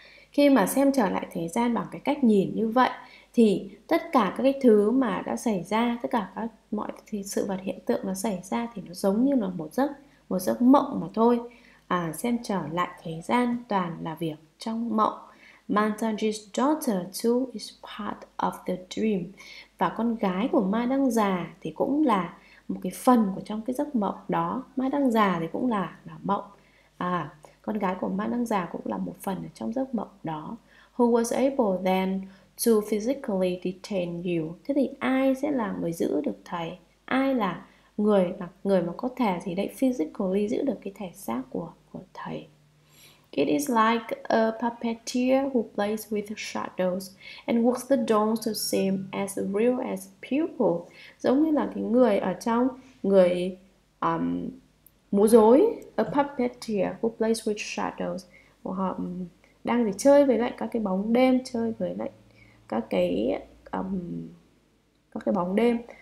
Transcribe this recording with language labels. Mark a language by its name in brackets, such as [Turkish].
[Vietnamese] Khi mà xem trở lại thế gian bằng cái cách nhìn như vậy thì tất cả các cái thứ mà đã xảy ra, tất cả các mọi thì sự vật hiện tượng nó xảy ra thì nó giống như là một giấc mộng mà thôi. Xem trở lại thế gian toàn là việc trong mộng. [English] Mantanji's daughter too is part of the dream. [Vietnamese] Và con gái của Mai đang già thì cũng là một cái phần của trong cái giấc mộng đó. Mai đang già thì cũng là mộng. Con gái của Mai đang già cũng là một phần ở trong giấc mộng đó. [English] Who was able then to physically detain you? [Vietnamese] Thế thì ai sẽ là người giữ được thầy? Ai là người mà có thể gì đấy physically giữ được cái thể xác của thầy? [English] It is like a puppeteer who plays with shadows and works the dolls to seem as real as people. [Vietnamese] Giống như là cái người ở trong người múa rối, [English] a puppeteer who plays with shadows, [Vietnamese] và họ đang để chơi với lại các cái bóng đêm, chơi với lại các cái bóng đêm.